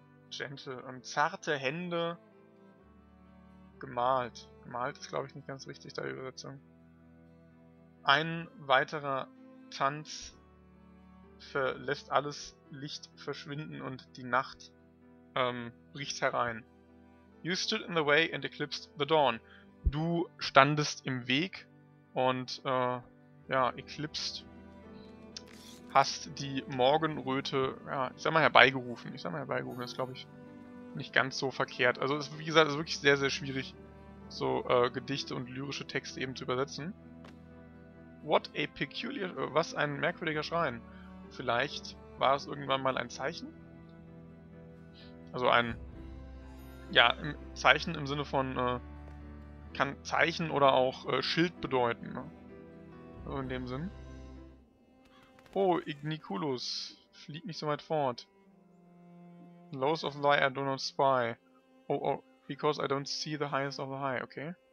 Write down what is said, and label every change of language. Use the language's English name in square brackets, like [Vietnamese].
[German] Gentle, zarte Hände gemalt. Gemalt ist, glaube ich, nicht ganz richtig, da die Übersetzung. Ein weiterer Tanz verlässt alles Licht verschwinden und die Nacht bricht herein. [English] You stood in the way and eclipsed the dawn. [German] Du standest im Weg und eclipsed. Hast die Morgenröte, ja, ich sag mal herbeigerufen. Ich sag mal herbeigerufen, das glaube ich nicht ganz so verkehrt. Also es, wie gesagt, ist wirklich sehr, sehr schwierig, so Gedichte und lyrische Texte eben zu übersetzen. [English] What a peculiar, [German] was ein merkwürdiger Schrein. Vielleicht war es irgendwann mal ein Zeichen? Also ein, ja, ein Zeichen im Sinne von, kann Zeichen oder auch Schild bedeuten, ne? Also in dem Sinn. Oh, Igniculus, flieg nicht so weit fort. [English] Lows of the high I do not spy. Oh, oh, because I don't see the highest of the high, okay.